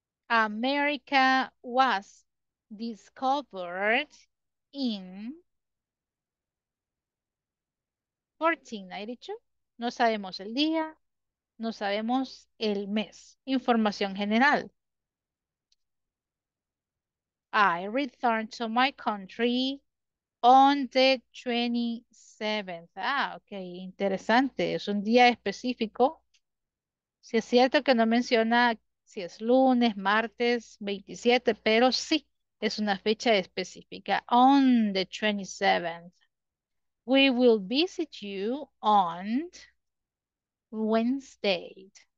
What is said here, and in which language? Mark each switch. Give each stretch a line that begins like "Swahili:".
English: America was discovered in 1492.
Spanish: No sabemos el día, no sabemos el mes. Información general.
English: I returned to my country on the 27th.
Spanish: Ah, ok, interesante. Es un día específico. Si es cierto que no menciona si es lunes, martes, 27, pero sí. Es una fecha específica.
English: On the 27th. We will visit you on Wednesday.